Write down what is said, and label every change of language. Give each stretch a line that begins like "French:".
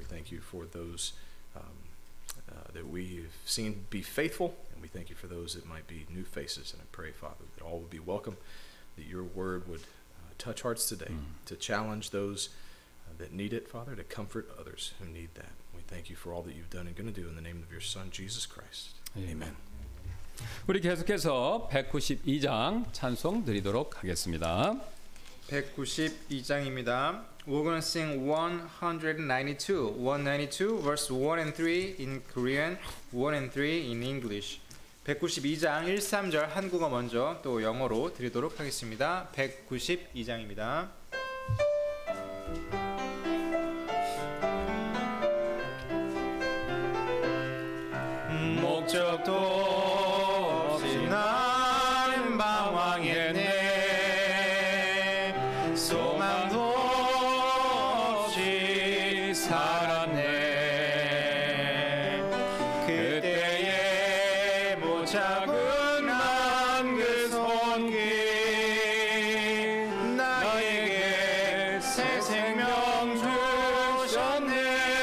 English: We thank you for those that we've seen be faithful, and we thank you for those that might be new faces. And I pray, Father, that all would be welcome, that your word would touch hearts today, to challenge those that need it, Father, to comfort others who need that. We thank you for all that you've done and going to do in the name of your Son, Jesus Christ. Amen.
Korean: 우리 계속해서 192장 찬송 드리도록 하겠습니다. 192장입니다.
English: We're going to sing 192 verse 1 and 3 in Korean, 1 and 3 in English.
Korean: 192장 1, 3절 한국어 먼저 또 영어로 드리도록 하겠습니다. 192장입니다. 목적도 없이 난 방황했네 소망도 없이 살았네 그때의 못 잡은 난 그 손길 나에게 새 생명 주셨네